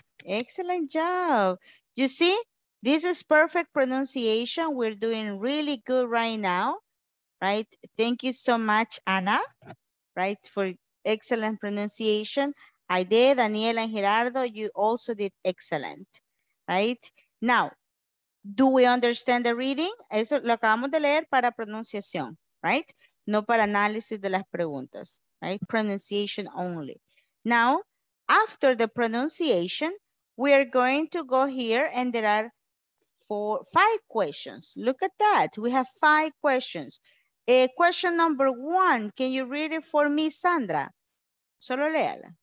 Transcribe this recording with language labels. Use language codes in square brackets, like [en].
[en] Excellent job. You see? This is perfect pronunciation. We're doing really good right now, right? Thank you so much, Ana, right? For excellent pronunciation. I did, Daniela and Gerardo, you also did excellent, right? Now, do we understand the reading? [es] Eso lo acabamos de leer para pronunciación, right? No para análisis de las preguntas, right? [en] Pronunciation only. Now, after the pronunciation, we are going to go here and there are for 5 questions. Look at that. We have 5 questions. Question number 1. Can you read it for me, Sandra? [es] Solo léala.